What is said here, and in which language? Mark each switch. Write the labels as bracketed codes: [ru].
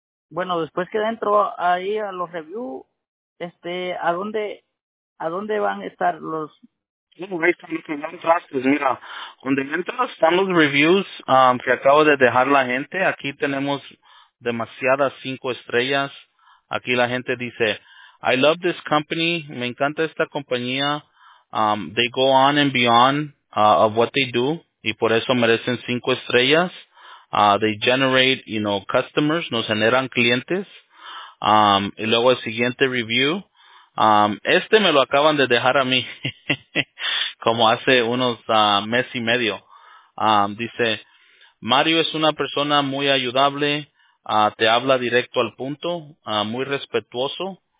[es] Bueno, después que entro ahí a los reviews, ¿a dónde van a estar los... Mira, donde entras están los reviews que acabo de dejar la gente. Aquí tenemos demasiadas 5 estrellas. Aquí la gente dice, [en] I love this company. [es] Me encanta esta compañía. [en] They go on and beyond of what they do. [es] Y por eso merecen 5 estrellas. [en] They generate, you know, customers. [es] Nos generan clientes. Y luego el siguiente review. Este me lo acaban de dejar a mí, como hace unos mes y medio. Dice, Mario es una persona muy ayudable, te habla directo al punto, muy respetuoso.